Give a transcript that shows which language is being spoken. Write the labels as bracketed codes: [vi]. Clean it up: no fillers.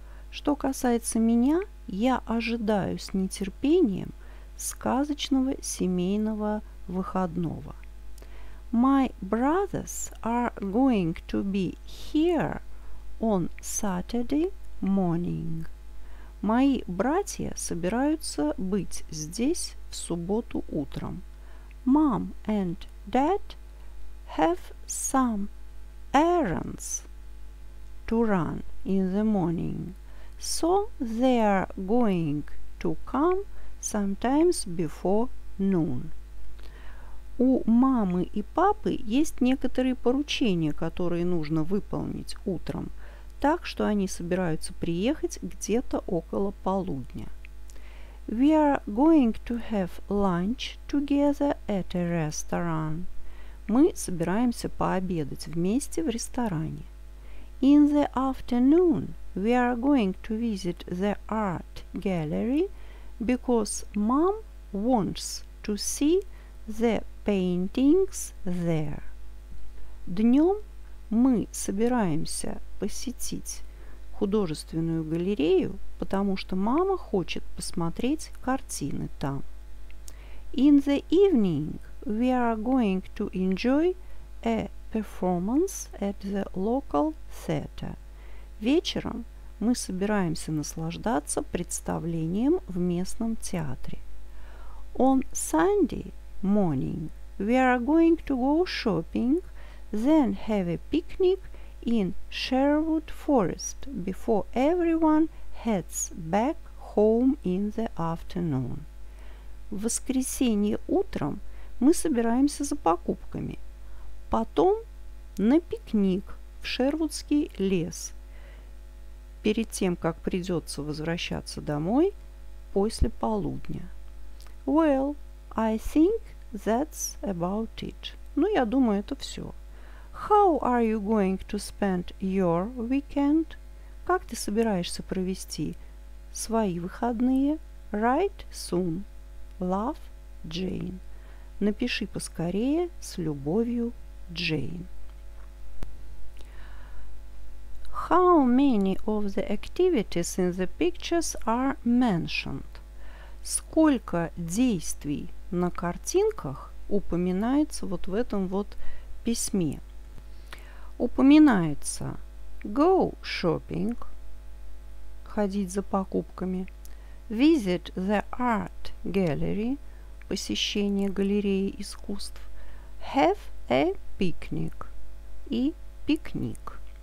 [ru] Что касается меня, я ожидаю с нетерпением сказочного семейного выходного. [en] My brothers are going to be here on Saturday morning. [ru] Мои братья собираются быть здесь в субботу утром. [en] Mom and Dad have some errands to run in the morning, so they are going to come sometimes before noon. [ru] У мамы и папы есть некоторые поручения, которые нужно выполнить утром, так что они собираются приехать где-то около полудня. [en] We are going to have lunch together at a restaurant. [ru] Мы собираемся пообедать вместе в ресторане. [en] In the afternoon we are going to visit the art gallery because mom wants to see the paintings there. [ru] Днём мы собираемся посетить художественную галерею, потому что мама хочет посмотреть картины там. [en] In the evening we are going to enjoy a performance at the local theater. [ru] Вечером мы собираемся наслаждаться представлением в местном театре. [en] On Sunday morning we are going to go shopping, then have a picnic in Sherwood Forest before everyone heads back home in the afternoon. [ru] В воскресенье утром мы собираемся за покупками, потом на пикник в Шервудский лес, перед тем, как придется возвращаться домой после полудня. [en] Well, I think that's about it. [ru] Ну, я думаю, это все. [en] How are you going to spend your weekend? [ru] Как ты собираешься провести свои выходные? [en] Write soon. Love, Jane. [ru] Напиши поскорее, с любовью, Джейн. [en] How many of the activities in the pictures are mentioned? [ru] Сколько действий на картинках упоминается вот в этом вот письме? Упоминается [en] go shopping, [ru] ходить за покупками, [en] visit the art gallery, [ru] посещение галереи искусств, [en] have a picnic [ru] и пикник.